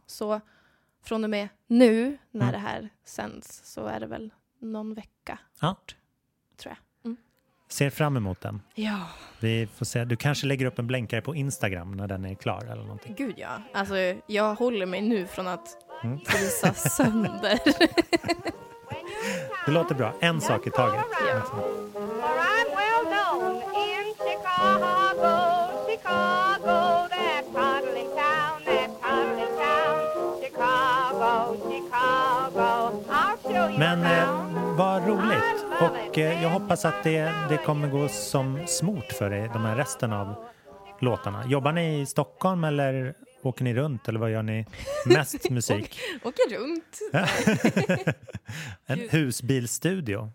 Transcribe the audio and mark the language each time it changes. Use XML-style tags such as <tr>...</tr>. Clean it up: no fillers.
<sv>Så från och med nu när det här sänds så är det väl någon vecka tror jag. Ser fram emot den. Ja. Vi får se. Du kanske lägger upp en blänkare på Instagram när den är klar eller någonting. Gud ja. Alltså jag håller mig nu från att frysa sönder. Det låter bra. En sak i taget. Ja. Alltså.</sv> <en>For I'm well known in Chicago, Chicago, that toddling town, that toddling town. Chicago, Chicago, I'll show you.</en> <sv>Men, vad roligt. Och jag hoppas att det kommer gå som smort för er, de här resten av låtarna. Jobbar ni i Stockholm eller åker ni runt? Eller vad gör ni mest musik? Åker runt. En husbilstudio.</sv>